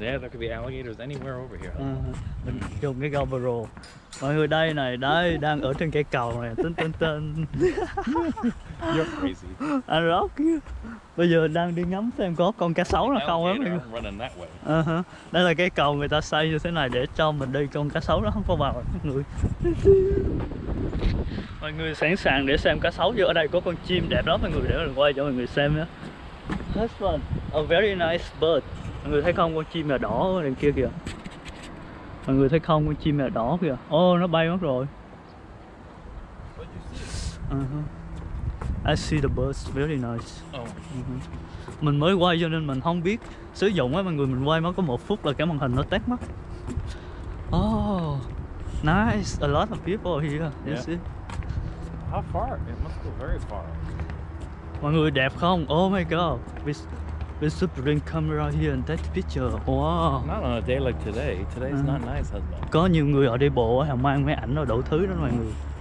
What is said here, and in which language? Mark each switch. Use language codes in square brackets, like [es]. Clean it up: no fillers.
[en] Yeah, there could be alligators anywhere over here. [vi] Mình dùng cái GoPro. Mọi người đây này, đây đang ở trên cái cầu này. Tinh tinh tinh. [en] You're crazy. [vi] Anh Rock. Bây giờ đang đi ngắm xem có con cá sấu nào không á. Đây là cái cầu người ta xây như thế này để cho mình đi, con cá sấu nó không có vào mọi người. Mọi người sẵn sàng để xem cá sấu chưa? Ở đây có con chim đẹp lắm mọi người, để mình quay cho mọi người xem nhé. [en] This one, a very nice bird. [vi] Mọi người thấy không, con chim mèo đỏ ở đằng kia kìa. Mọi người thấy không, con chim mèo đỏ kìa. Oh, nó bay mất rồi. [en] I see the birds, very nice. [vi] Mình mới quay cho nên mình không biết sử dụng á mọi người, mình quay mất có 1 phút là cái màn hình nó tắt mất. [en] Oh, nice, a lot of people here, you yeah. See? How far? It must go very far. [vi] Mọi người đẹp không? [en] Oh my god. We should bring camera here and take picture. Wow. Not on a day like today. Today's not nice, husband. [vi] Có nhiều người ở đi bộ họ mang máy ảnh rồi đủ thứ đó mọi người.